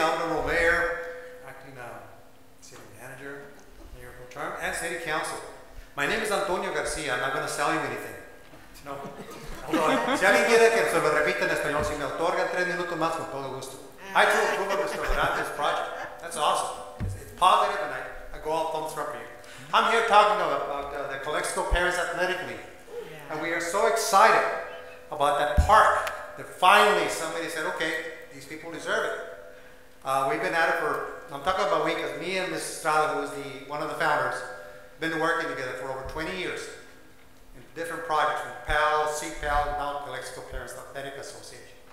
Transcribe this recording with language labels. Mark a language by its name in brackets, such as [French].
[English] I'm the Honorable Mayor, acting City Manager, Mayor Pro Tem, and City Council. My name is Antonio Garcia. I'm not going to sell you anything. No. [Spanish] Si alguien quiere que se lo repita en español, si me otorgan tres minutos más, con todo gusto. [English] I do approve of Mr. Verante's project. That's awesome. It's positive, and I go all thumbs up for you. I'm here talking about the Calexico Parents Athletic League. Yeah. And we are so excited about that park that finally somebody said, okay, these people deserve it. We've been at it for, I'm talking about a week, because me and Ms. Estrada, who is one of the founders, been working together for over 20 years in different projects with PAL, CPAL, and now Calexico Parents Athletic Association.